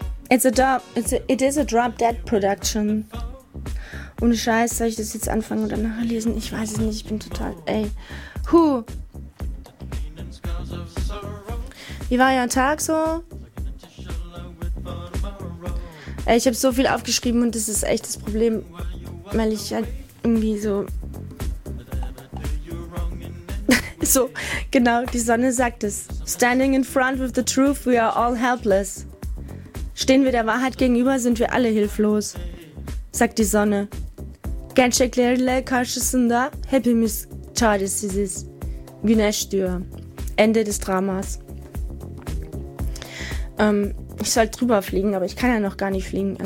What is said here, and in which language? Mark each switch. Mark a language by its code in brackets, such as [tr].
[en] It is a Drop Dead Production. [de] Ohne Scheiß, soll ich das jetzt anfangen oder nachher lesen? Ich weiß es nicht, ich bin total, ey. Huh. Wie war euer Tag so? Ey, ich habe so viel aufgeschrieben und das ist echt das Problem, weil ich halt irgendwie so... So, genau, die Sonne sagt es. [en] Standing in front with the truth, we are all helpless. [de] Stehen wir der Wahrheit gegenüber, sind wir alle hilflos, sagt die Sonne. Ganske klare Kaschesender, happy miss Charles, this is Güneşdür. Ende des Dramas. Ich soll drüber fliegen, aber ich kann ja noch gar nicht fliegen.